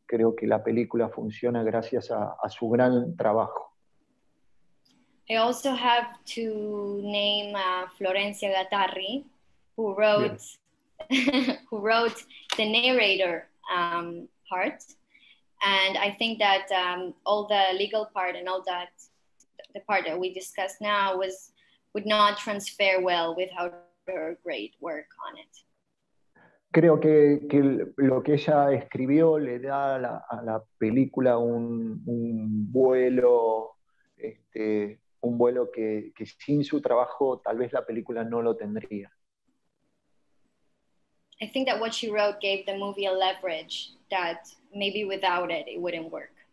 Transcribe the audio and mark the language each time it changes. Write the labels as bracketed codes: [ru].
[es] Creo que la película funciona gracias a su gran trabajo. [en] I also have to name Florencia Gattari, who wrote who wrote the narrator part, and I think that all the legal part and all that the part that we discussed now was would not transfer well without her great work on it. [es] Creo que lo que ella escribió le da a la película un vuelo que sin su trabajo tal vez la película no lo tendría. [en] I think that what she wrote gave the movie a leverage that maybe without it it wouldn't work.